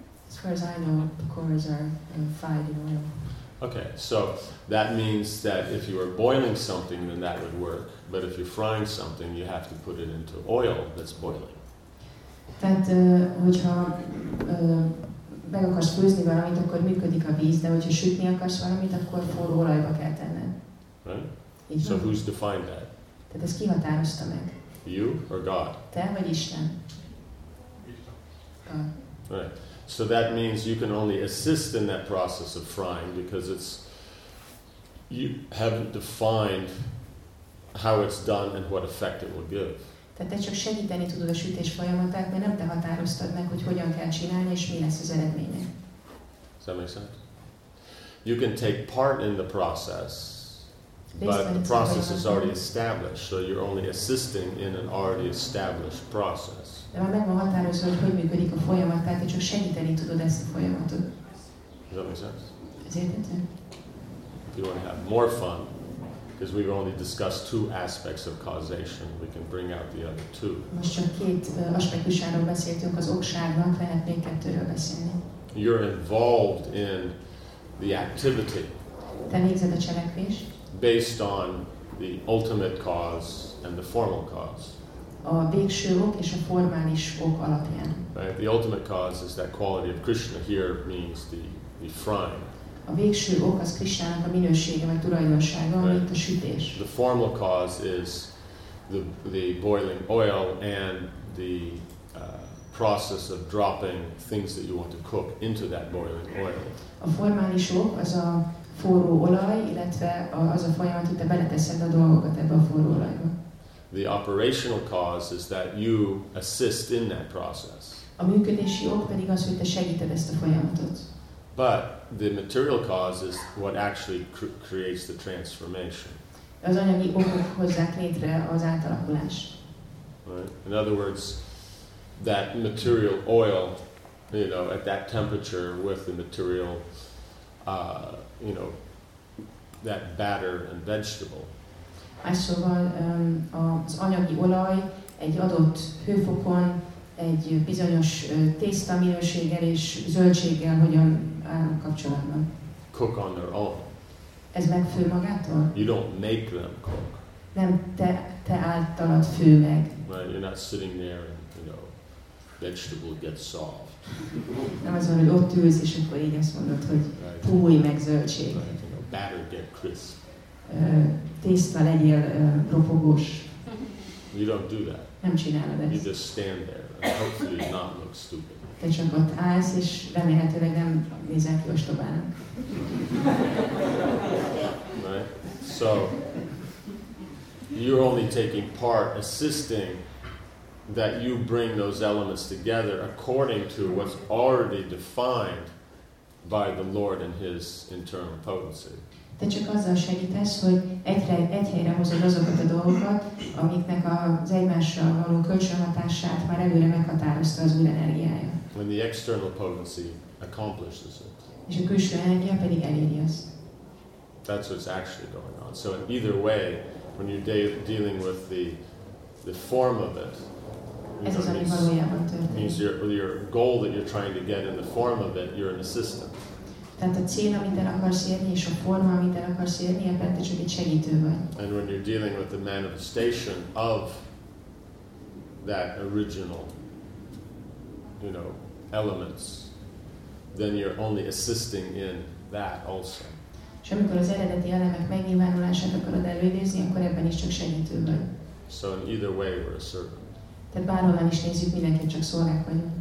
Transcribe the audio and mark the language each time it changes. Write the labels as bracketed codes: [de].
[en] As far as I know, pakoras are fried in oil. Okay, so that means that if you are boiling something, then that would work. But if you're frying something, you have to put it into oil that's boiling. [hu] Tehát, hogyha meg akarsz főzni valamit, akkor működik a víz, de hogyha sütni akarsz valamit, akkor forró olajba kell tenned. [en] Right? So who's defined that? [hu] Tehát ezt ki határozta meg? [en] You or God? [hu] Te vagy Isten? [en] God. Right. So that means you can only assist in that process of frying because it's you haven't defined how it's done and what effect it will give. [hu] Tehát te csak segíteni tudod a sütés folyamatát, mert nem te határoztad meg, hogy hogyan kell csinálni, és mi lesz az eredménye. [en] Does that make sense? You can take part in the process, but the process is already established, so you're only assisting in an already established process. [hu] De már meg van határozva, hogy hogy működik a folyamat, tehát te csak segíteni tudod ezt a folyamatot. [en] Does that make sense? [hu] Ez érthető. [en] If you want to have more fun, because we've only discussed two aspects of causation, we can bring out the other two. [hu] Most csak két aspektusáról beszéltünk, az okságnak lehet még kettőről beszélni. [en] You're involved in the activity. [hu] Te nézed a cselekvés. [en] Based on the ultimate cause and the formal cause. [hu] A végső ok és a formális ok alapján. [en] Right? The ultimate cause is that quality of Krishna. Here means the frying. [hu] A végső ok az Krisnának a minősége vagy tulajdonsága, [en] right? [hu] Mint a sütés. [en] The formal cause is the boiling oil and the process of dropping things that you want to cook into that boiling oil. [hu] A formális ok az a forró olaj, illetve az a folyamat, hogy te beleteszed a dolgokat ebbe a forró olajba. [en] The operational cause is that you assist in that process. [hu] A működési ok pedig az, hogy te segíted ezt a folyamatot. [en] But the material cause is what actually creates the transformation. [hu] Az anyagi okok hozzák létre az átalakulást. [en] Right? In other words, that material oil, you know, at that temperature with the material, you know, that batter and vegetable. [hu] Másszóval az anyagi olaj egy adott hőfokon egy bizonyos tészta minőséggel és zöldséggel hogyan állnak kapcsolatban. [en] Cook on their own. [hu] Ez megfő magától? [en] You don't make them cook. [hu] Nem te általad fő meg. [en] Right, you're not sitting there and, you know, vegetable gets soft. [hu] Nem az van, hogy ott ülsz, és akkor így azt mondod, hogy púj meg zöldség. [en] Right, you know, batter get crisp. [hu] Tészta legyél ropogós. [en] You don't do that. [hu] Nem csinálod ezt. [en] You just stand there and hopefully not look stupid. [hu] Te csak ott állsz, és remélhetőleg nem nézel ki ostobának. [en] Right? So, you're only taking part, assisting that you bring those elements together according to what's already defined by the Lord and His internal potency. [hu] Te csak azzal segítesz, hogy egy helyre hozod azokat a dolgokat, amiknek az egymással való kölcsönhatását már előre meghatározta az új energiája. [en] When the external potency accomplishes it. [hu] És a külső energia pedig eléri azt. [en] That's what's actually going on. So in either way, when you're dealing with the form of it, it means your goal that you're trying to get in the form of it, you're an assistant. [hu] Tehát a cél, amit el akarsz érni, és a forma, amit el akarsz érni, ebben te csak egy segítő vagy. [en] And when you're dealing with the manifestation of that original, you know, elements, then you're only assisting in that also. [hu] És amikor az eredeti elemek megnyilvánulását akarod előidézni, akkor ebben is csak segítő vagy. [en] So in either way we're a servant. [hu] Tehát bárhol is nézzük, mindenki csak szolgák vagyunk.